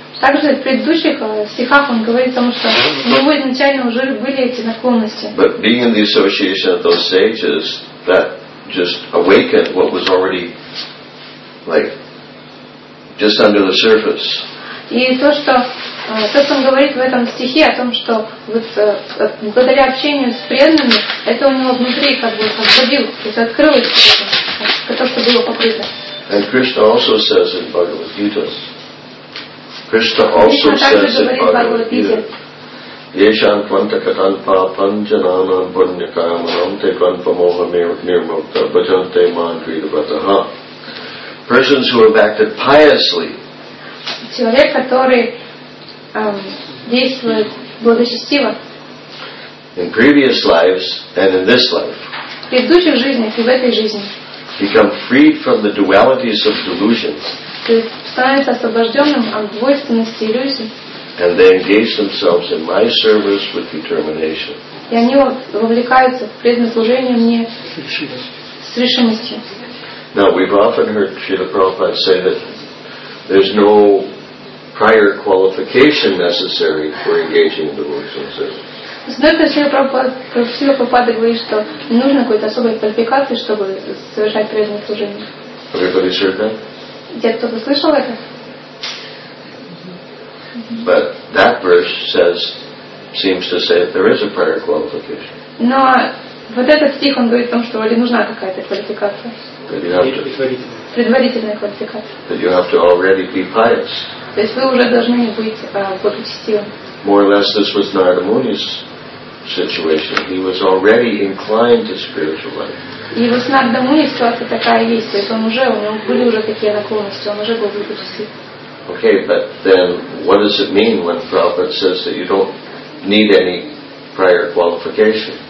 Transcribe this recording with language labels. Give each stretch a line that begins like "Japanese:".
Russian: Также в предыдущих стихах он говорит о том, что у него изначально уже были эти наклонности.
English: But being in the association of those sages, that just awakened what was already like just under the surface.
Russian: И то, что он говорит в этом стихе о том, что вот благодаря общению с преданными, это у него внутри как бы освободил, то есть открылось то, что было покрыто.
English: And Krishna also says in Bhagavad Gita. Krishna also says in Bhagavad Gita. Yeshan kvanta katanpa panjanana bunyakayamanam te kvanpa moha nirmukta bhajante mandrita vataha. Persons who have acted piously.
Russian: Человек, который действует благочестиво.
English: In previous lives and in this life.
Russian: В предыдущих жизнях и в этой жизни.
English: Become freed from the dualities of delusion.
Russian: Ты становишься освобожденным от двойственности и иллюзий.
English: And they engage themselves in my service with determination.
Russian: И они вовлекаются в преданное служение мне с решимостью.
English: Now we've often heard Srila Prabhupada say that there's no prior qualification necessary for engaging in devotional service.
Russian: Знаете, Srila Prabhupada говорит, что не нужно какой-то особой квалификации, чтобы совершать преданное служение.
English: Everybody heard that?
Russian: Где кто-то слышал это?
English: But that verse says, seems to say that there is a prior qualification.
Russian: Но вот этот стих он говорит о том, что вроде нужна какая-то квалификация. Предварительная квалификация.
English: That you have to already be pious.
Russian: То есть вы уже должны быть благочестивым.
English: More or less, this was Narada Muni's situation. He was already inclined to spiritual life.
Russian: И вот с Нарада Муни ситуация такая есть, то есть он уже у него были уже такие наклонности, он уже был благочестив.
English: Okay, but then what does it mean when Prabhupada says that you don't need any prior qualification?